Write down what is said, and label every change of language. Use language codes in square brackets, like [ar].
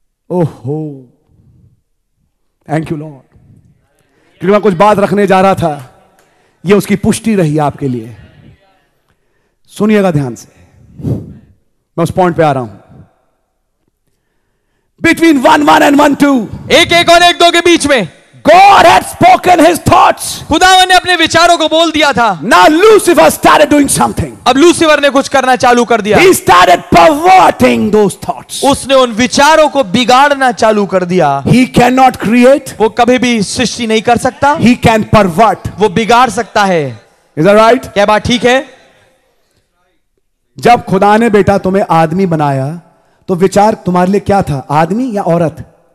[hi] ओहो, [en] thank you lord, [hi] क्योंकि मैं कुछ बात रखने जा रहा था, ये उसकी पुष्टि रही आपके लिए। सुनिएगा ध्यान से, मैं उस पॉइंट पे आ रहा हूं। [en] between 1:1 and 1:2, [hi] एक एक और एक दो के बीच में, [en] God had spoken his thoughts. [hi] खुदा ने अपने विचारों को बोल दिया था। [en] Now Lucifer started doing something. [hi] अब लूसिफर ने कुछ करना चालू कर दिया। [en] He started perverting those thoughts. [hi] उसने उन विचारों को बिगाड़ना चालू कर दिया। [en] He cannot create. [hi] वो कभी भी सृष्टि नहीं कर सकता। [en] He can pervert. [hi] वो बिगाड़ सकता है। [en] Is that right? [hi] क्या बात ठीक है? जब खुदा ने बेटा तुम्हें आदमी बनाया, तो विचार तुम्हारे लिए क्या था, आदमी या औरत?